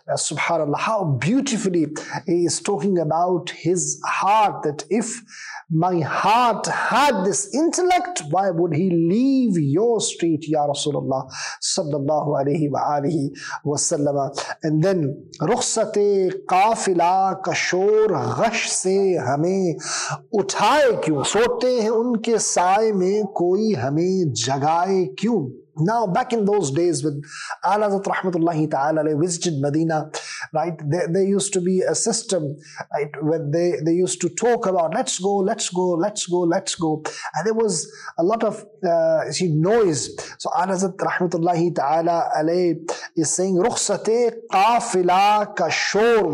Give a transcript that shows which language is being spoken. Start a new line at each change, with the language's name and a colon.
English: Subhanallah, how beautifully he is talking about his heart, that if my heart had this intellect, why would he leave your street, Ya Rasulullah sallallahu alayhi wa alihi wa sallam? And then,
Urdu: ruhsate qafila لاکشور غش سے ہمیں اٹھائے کیوں, سوتے ہیں ان کے سائے میں کوئی ہمیں جگائے کیوں.
English: Now, back in those days when Ala Hazrat Rahmatullahi Ta'ala visited Medina, right, there used to be a system, right, where they used to talk about, let's go, let's go, let's go, let's go. And there was a lot of noise. So Ala Hazrat Rahmatullahi Ta'ala is saying,
Urdu: Rukhsate qafila kashor.